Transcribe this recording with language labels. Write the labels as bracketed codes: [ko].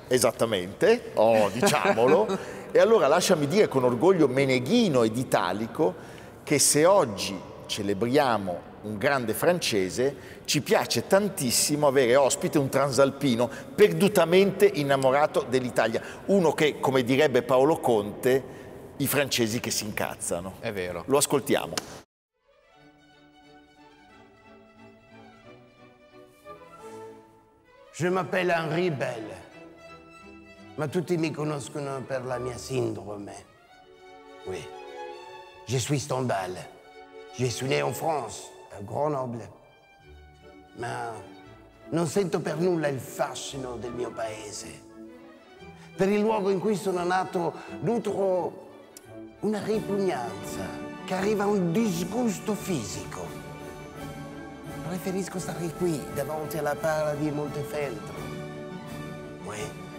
[it] Esattamente, diciamolo. E allora lasciami dire con orgoglio meneghino ed italico che se oggi celebriamo un grande francese ci piace tantissimo avere ospite un transalpino perdutamente innamorato dell'Italia, uno che, come direbbe Paolo Conte, i francesi che si incazzano. È vero. Lo ascoltiamo. [fr] Je m'appelle Henri Bell. [it] Ma tutti mi conoscono per la mia sindrome. [fr] Oui. Je suis Stendhal. Je suis né en France, à Grenoble. [it] Ma non sento per nulla il fascino del mio paese. Per il luogo in cui sono nato nutro una ripugnanza che arriva a un disgusto fisico. Preferisco stare qui, davanti alla pala di Montefeltro. Oui.